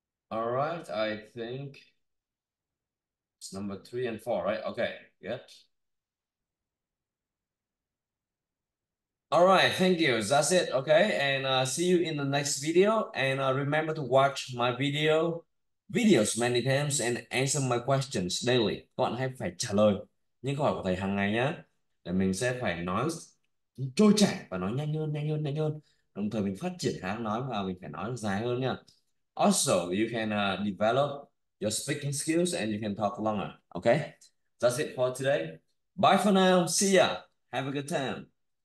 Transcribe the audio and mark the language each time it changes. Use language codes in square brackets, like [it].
[en] All right, I think it's number three and four, right? Okay, good. All right, thank you. That's it. Okay, and see you in the next video. And remember to watch my videos many times and answer my questions daily. [vi] Các bạn hãy phải trả lời những câu hỏi của thầy hàng ngày nhé, để mình sẽ phải nói trôi chảy và nói nhanh hơn, đồng thời mình phát triển khả năng nói và mình phải nói dài hơn nha. [en] Also, you can develop your speaking skills and you can talk longer. Okay, that's it for today. Bye for now. See ya. Have a good time.